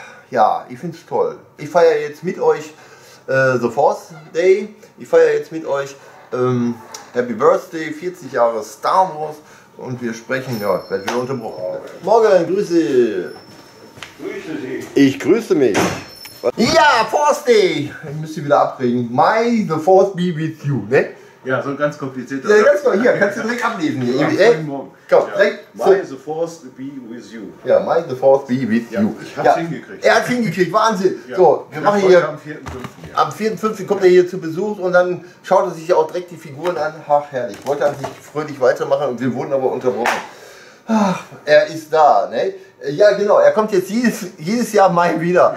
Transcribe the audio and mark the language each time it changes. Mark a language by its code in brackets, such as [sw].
[de] Ja, ich finde es toll. Ich feiere jetzt mit euch The Force Day. Ich feiere jetzt mit euch Happy Birthday, 40 Jahre Star Wars. Und wir sprechen, ja, werden wir unterbrochen. Morgen, grüße Sie. Grüße Sie. Ich grüße mich. Ja, Force Day. Ich müsste wieder abregen. [en] May the Force be with you, ne? [de] Ja, so ganz kompliziert. Ja, ganz klar, hier, kannst du direkt ablesen. Hier. Ja, komm, ja. [en] May the Force be with you. Ja, may the Force be with you. [de] Ich hab's hingekriegt. Er hat's hingekriegt, Wahnsinn. Ja. So, wir ich machen hier. Am 4.5. kommt er hier zu Besuch und dann schaut er sich auch direkt die Figuren an. Ach, herrlich. Ich wollte eigentlich fröhlich weitermachen und wir wurden aber unterbrochen. Ach, er ist da, ne? Ja, genau, er kommt jetzt jedes Jahr Mai wieder.